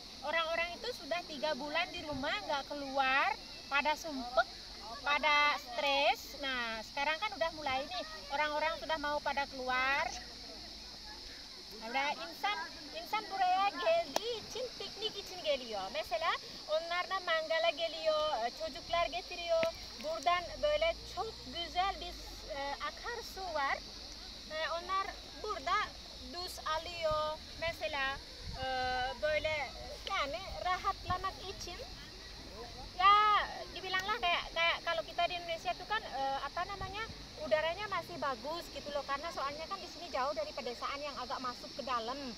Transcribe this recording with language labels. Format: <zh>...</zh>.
<id>Orang-orang itu sudah 3 bulan di rumah nggak keluar, pada sumpek, pada stres. Nah, sekarang kan udah mulai nih orang-orang sudah mau pada keluar.</id> <tr>Allah insan buraya geldi için piknik için geliyor. Mesela onlar da mangala geliyor, çocuklar getiriyor. Buradan böyle çok güzel bir akarsu var. Onlar burada duş alıyor. Mesela böyle yani rahatlamak için.</tr> <id>Ya dibilanglah kayak kalau kita di Indonesia itu kan udaranya masih bagus gitu loh, karena soalnya kan di sini jauh dari pedesaan yang agak masuk ke dalam.</id>